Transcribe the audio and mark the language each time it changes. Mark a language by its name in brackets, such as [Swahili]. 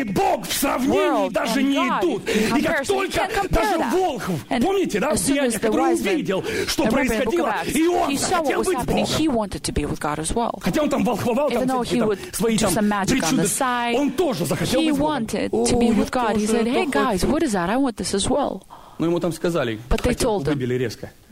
[Russian] и Бог в сравнении даже не идут. И как только даже волхв, помните, да, сияние, который увидел, что происходило, и он хотел быть Богом. Хотя он там волхвовал, там свои там причуды, он тоже захотел быть Богом. [English] He said, "Hey guys, what is that? I want this as well." [Russian] Но ему там сказали, убили резко.